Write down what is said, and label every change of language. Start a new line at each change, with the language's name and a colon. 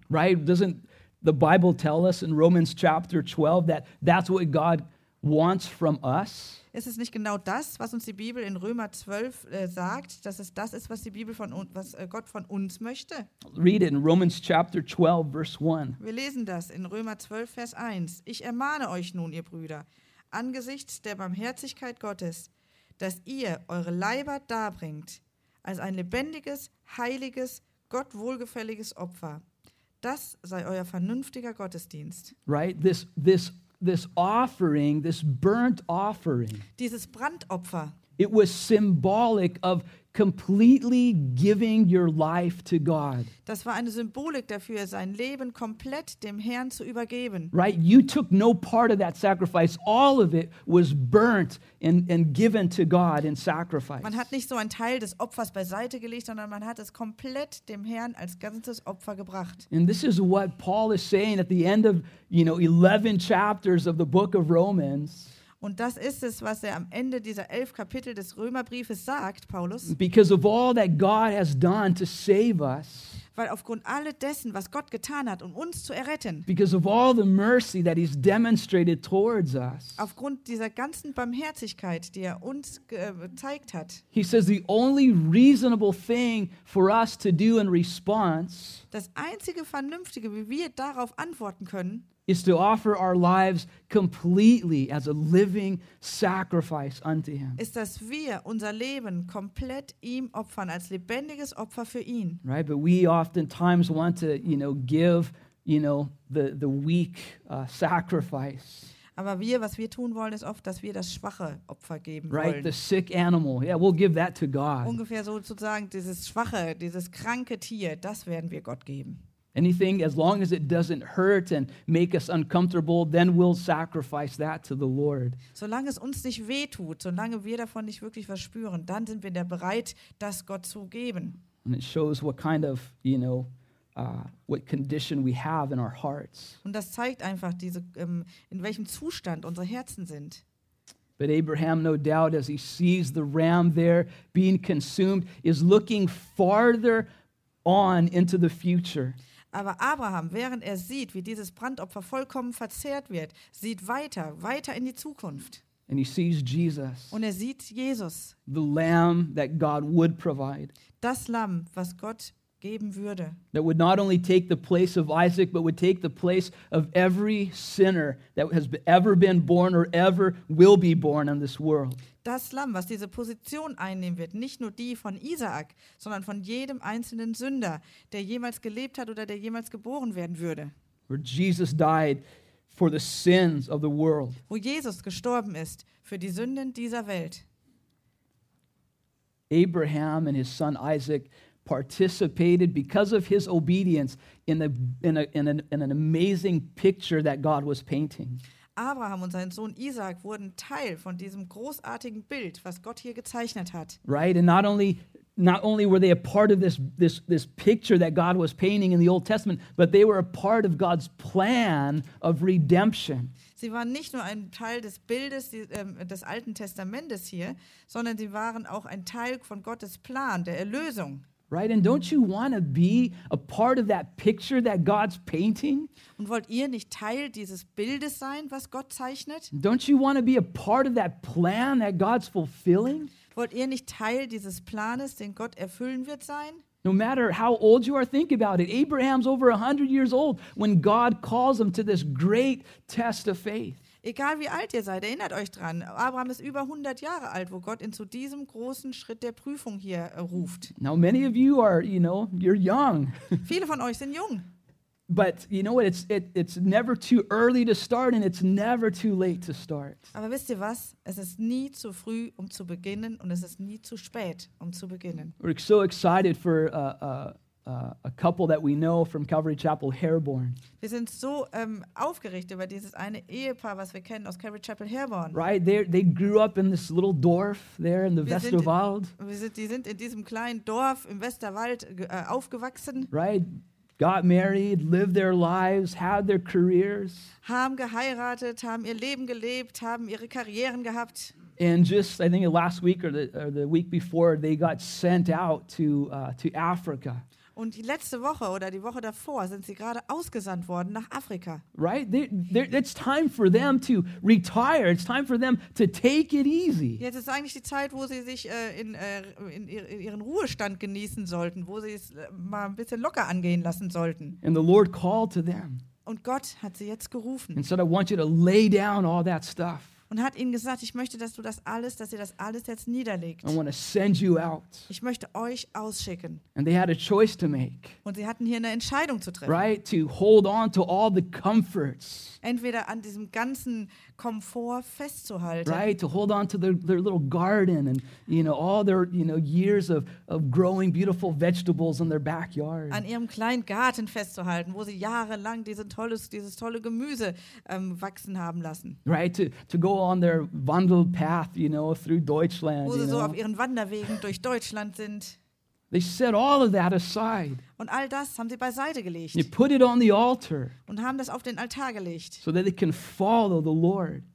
English: Right, doesn't the Bible tell us in Romans chapter 12 that that's what God wants from us?
German: Ist es nicht genau das, was uns die Bibel in Römer 12 sagt, dass es das ist, was die Bibel von uns, was Gott von uns möchte?
English: Read it in Romans chapter 12 verse 1.
German: Wir lesen das in Römer 12 Vers 1. Ich ermahne euch nun, ihr Brüder, angesichts der Barmherzigkeit Gottes, dass ihr eure Leiber darbringt als ein lebendiges, heiliges, Gott wohlgefälliges Opfer. Das sei euer vernünftiger Gottesdienst.
English: Right, this offering, this burnt offering.
German: Dieses Brandopfer.
English: It was symbolic of completely giving your life to God.
German: Das war eine Symbolik dafür, sein Leben komplett dem Herrn zu übergeben.
English: Right, you took no part of that sacrifice. All of it was burnt and given to God in sacrifice.
German: Man hat nicht so einen Teil des Opfers beiseite gelegt, sondern man hat es komplett dem Herrn als ganzes Opfer gebracht.
English: And this is what Paul is saying at the end of, you know, 11 chapters of the book of Romans.
German: Und das ist es, was er am Ende dieser 11 Kapitel des Römerbriefes sagt, Paulus.
English: Because of all that God has done to save us.
German: Weil aufgrund all dessen, was Gott getan hat, um uns zu erretten.
English: Because of all the mercy that he's demonstrated towards us.
German: Aufgrund dieser ganzen Barmherzigkeit, die er uns gezeigt hat.
English: He says the only reasonable thing for us to do in response.
German: Das einzige Vernünftige, wie wir darauf antworten können,
English: is to offer our lives completely as a living sacrifice unto him.
German: Ist, dass wir unser Leben komplett ihm opfern, als lebendiges Opfer für ihn.
English: Right, but we oftentimes want to, you know, give, you know, the weak sacrifice.
German: Aber wir, was wir tun wollen, ist oft, dass wir das schwache Opfer geben wollen.
English: Right, the sick animal. Yeah, we'll give that to God.
German: Ungefähr sozusagen dieses schwache, dieses kranke Tier, das werden wir Gott geben.
English: Anything, as long as it doesn't hurt and make us uncomfortable, then we'll sacrifice that to the Lord.
German: Solange es uns nicht wehtut, solange wir davon nicht wirklich was spüren, dann sind wir da bereit, das Gott zu geben.
English: And it shows what kind of, you know, what condition we have in our hearts.
German: Und das zeigt einfach diese, in welchem Zustand unsere Herzen sind.
English: But Abraham, no doubt, as he sees the ram there being consumed, is looking farther on into the future.
German: Aber Abraham, während er sieht, wie dieses Brandopfer vollkommen verzehrt wird, sieht weiter, weiter in die Zukunft.
English: And he sees Jesus.
German: Und er sieht Jesus.
English: The lamb that God would provide.
German: Das Lamm, was Gott geben würde.
English: That would not only take the place of Isaac, but would take the place of every sinner that has ever been born or ever will be born in this world.
German: Das Lamm, was diese Position einnehmen wird, nicht nur die von Isaak, sondern von jedem einzelnen Sünder, der jemals gelebt hat oder der jemals geboren werden würde.
English: Where Jesus died for the sins of the world.
German: Wo Jesus gestorben ist für die Sünden dieser Welt.
English: Abraham and his son Isaac participated because of his obedience in an amazing picture that God was painting.
German: Abraham und sein Sohn Isaac wurden Teil von diesem großartigen Bild, was Gott hier gezeichnet hat.
English: Right, and not only were they a part of this picture that God was painting in the Old Testament, but they were a part of God's plan of redemption.
German: Sie waren nicht nur ein Teil des Bildes des Alten Testamentes hier, sondern sie waren auch ein Teil von Gottes Plan der Erlösung.
English: Right, and don't you want to be a part of that picture that God's painting?
German: Und wollt ihr nicht Teil dieses Bildes sein, was Gott zeichnet?
English: Don't you want to be a part of that plan that God's fulfilling?
German: Wollt ihr nicht Teil dieses Planes, den Gott erfüllen wird, sein?
English: No matter how old you are, think about it. Abraham's over 100 years old when God calls him to this great test of faith.
German: Egal wie alt ihr seid, erinnert euch dran. Abraham ist über 100 Jahre alt, wo Gott ihn zu diesem großen Schritt der Prüfung hier ruft.
English: Now many of you are, you know, you're young.
German: Viele von euch sind jung.
English: But you know what? It's never too early to start, and it's never too late to start.
German: Aber wisst ihr was? Es ist nie zu früh, um zu beginnen, und es ist nie zu spät, um zu beginnen.
English: We're so excited for a couple that we know from Calvary Chapel Herborn.
German: Wir sind so aufgeregt über dieses eine Ehepaar, was wir kennen aus Calvary Chapel Herborn.
English: Right, they grew up in this little Dorf there in the Westerwald.
German: Die sind in diesem kleinen Dorf im Westerwald aufgewachsen.
English: Right. Got married, lived their lives, had their careers.
German: Haben geheiratet, haben ihr Leben gelebt, haben ihre Karrieren gehabt.
English: And just, I think last week or the week before, they got sent out to Africa.
German: Und die letzte Woche oder die Woche davor sind sie gerade ausgesandt worden nach Afrika.
English: Right? It's time for them to retire. It's time for them to take it easy.
German: Jetzt ist eigentlich die Zeit, wo sie sich in ihren Ruhestand genießen sollten, wo sie es mal ein bisschen locker angehen lassen sollten.
English: And the Lord called to them.
German: Und Gott hat sie jetzt gerufen.
English: And said, I want you to lay down all that stuff.
German: Und hat ihnen gesagt, ich möchte, dass du das alles, dass ihr das alles jetzt niederlegt.
English: I want to send you out.
German: Ich möchte euch ausschicken.
English: And they had a choice to make.
German: Und sie hatten hier eine Entscheidung zu treffen.
English: Right, to hold on to all the comforts.
German: Entweder an diesem ganzen Komfort festzuhalten.
English: Right, to hold on to their little garden and, you know, all their, you know, years of growing beautiful vegetables in their backyard.
German: An ihrem kleinen Garten festzuhalten, wo sie jahrelang dieses tolle Gemüse wachsen haben lassen.
English: Right, to go on their Wandelpath, you know, through Deutschland.
German: Wo sie
English: you know?
German: So auf ihren Wanderwegen durch Deutschland sind.
English: They set all of that aside.
German: Und all das haben sie beiseite gelegt.
English: They put it on the altar.
German: Und haben das auf den Altar gelegt.
English: So that they can follow the Lord.